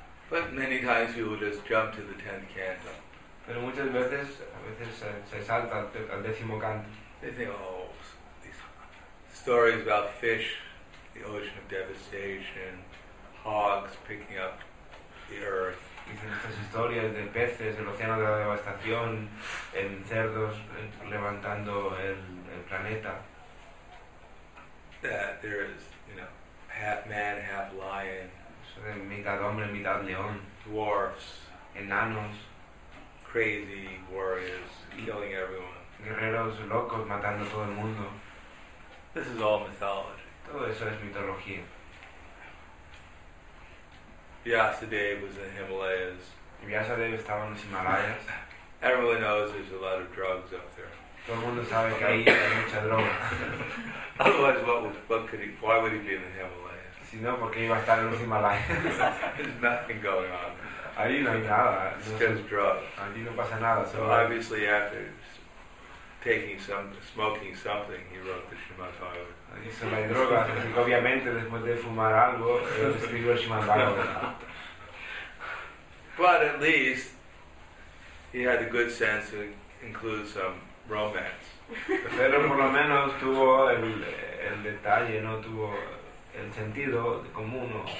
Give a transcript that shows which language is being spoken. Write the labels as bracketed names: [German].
[English] But many times people just jump to the 10th canto. [Spanish] Pero muchas veces se salta al 10º canto. [English] They think, oh, these stories about fish, the ocean of devastation, hogs picking up the earth. [Spanish] Dicen estas historias de peces, el océano de la devastación, en cerdos levantando el planeta. [English] That there is, you know, half man, half lion. [Spanish] Mitad hombre, mitad león. [English] Dwarfs. [Spanish] Enanos. [English] Crazy warriors killing everyone. [Spanish] Guerreros locos matando a todo el mundo. [English] This is all mythology. [Spanish] Todo eso es mitología. [English] Vyasadeva was in the Himalayas. [Spanish] Vyasadeva estaba en los Himalayas. [English] Everyone knows there's a lot of drugs up there. [Spanish] Todo el mundo sabe que ahí hay mucha droga. [English] Otherwise, why would he be in the Himalayas? [Spanish] Si no, ¿por qué iba a estar en los Himalayas? [English] There's nothing going on. [Spanish] Ahí no hay nada. [English] It's just drugs. [Spanish] Allí no pasa nada. [English] So obviously, after smoking something, he wrote the Srimad Bhagavatam. [Spanish] Hizo la droga, así que obviamente después de fumar algo, escribió el Srimad Bhagavatam. [English] But at least he had a good sense to include some romance. [Spanish] Pero por lo menos tuvo el detalle, no tuvo el sentido común.